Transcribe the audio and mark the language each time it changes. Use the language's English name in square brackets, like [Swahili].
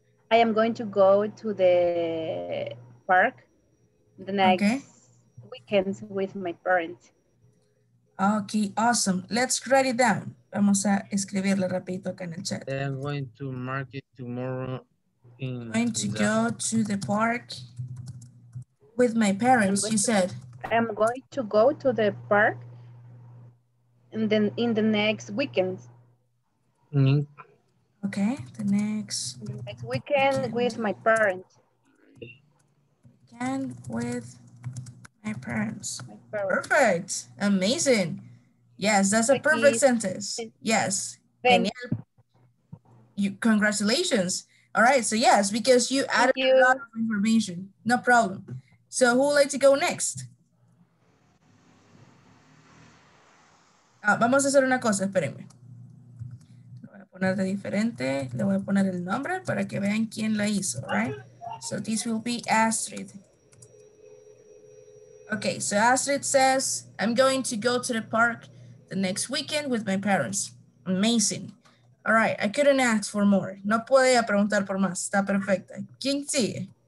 [English] I am going to go to the park the next weekend with my parents. Okay, awesome. Let's write it down. [Spanish] Vamos a escribirle rapidito acá en el chat. [English] I'm going to market tomorrow. I'm going to go to the park with my parents, you said. I'm going to go to the park in the next weekend. Mm-hmm. Okay, the next weekend with my parents. Weekend with my parents. Perfect. Amazing. Yes, that's a perfect sentence. Yes. Congratulations. All right, so yes, because you added a lot of information. No problem. So who would like to go next? [Spanish] Vamos a hacer una cosa, espérenme. Lo voy a poner de diferente. Le voy a poner el nombre para que vean quién la hizo, [English] all right? So this will be Astrid. Okay, so Astrid says, I'm going to go to the park the next weekend with my parents. Amazing. All right, I couldn't ask for more. [Spanish] No podía preguntar por más. Está perfecta. ¿Quién sigue?